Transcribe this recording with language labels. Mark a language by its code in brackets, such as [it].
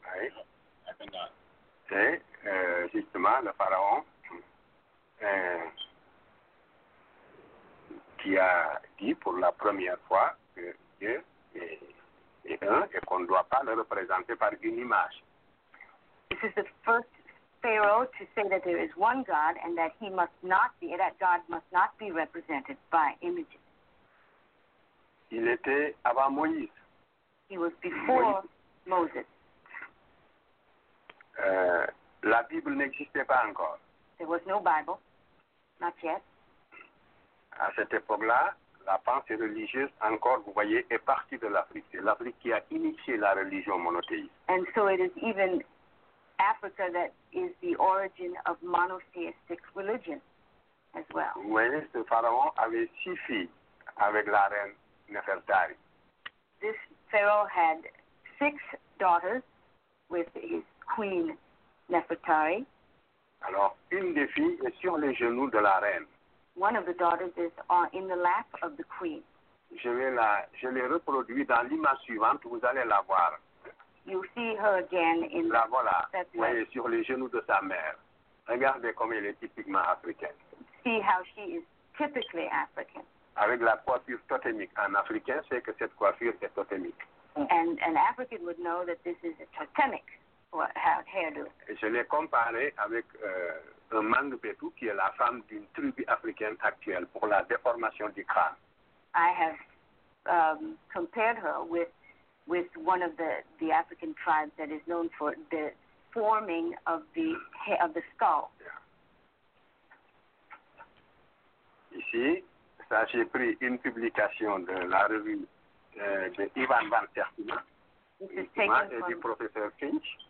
[fr] Oui. C'est justement le pharaon qui a dit pour la première fois que Dieu est un et qu'on ne doit pas le représenter par une image. [en] This is the first pharaoh to say that there is one God and that he must not be, that God must not be represented by images. [fr] Il était avant Moïse. [en] He was before Moses. [fr] La Bible n'existait pas encore. [en] There was no Bible, not yet. [fr] À cette époque-là, la pensée religieuse encore, vous voyez, est partie de l'Afrique. C'est l'Afrique qui a initié la religion monothéiste. [en] And so it is even Africa that is the origin of monotheistic religion as well. [fr] Vous voyez, ce pharaon avait six filles avec la reine Nefertari. [en] This pharaoh had six daughters with his queen Nefertari. [fr] Alors, une des filles est sur les genoux de la reine. [en] One of the daughters is in the lap of the queen. [fr] Je l'ai reproduit dans l'image suivante, vous allez la voir. [en] You see her again in [fr] la voilà. Vous voyez, sur les genoux de sa mère. Regardez comme elle est typiquement africaine. [en] See how she is typically African. [fr] Avec la coiffure totémique. Un Africain sait que cette coiffure est totémique. [en] And an African would know that this is a totemic hairdo. [fr] Je l'ai comparé avec un Mangbetu, qui est la femme d'une tribu africaine actuelle, pour la déformation du crâne. [en] I have compared her with one of the African tribes that is known for the forming of the skull. Yeah. [fr] Ici, ça, j'ai pris une publication de la revue de Ivan Van Terpenen, et du professeur Finch.